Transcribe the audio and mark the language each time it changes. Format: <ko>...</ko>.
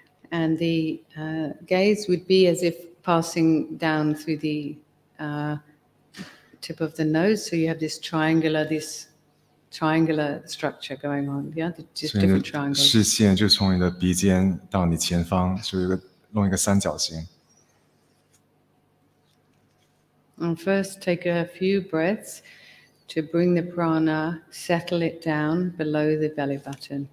<en>And the gaze would be as if passing down through the tip of the nose. So you have this triangular structure going on. Yeah, different triangles.</en> <zh>视线就从你的鼻尖到你前方，就弄一个三角形。</zh> <en>And first, take a few breaths to bring the prana, settle it down below the belly button.</en>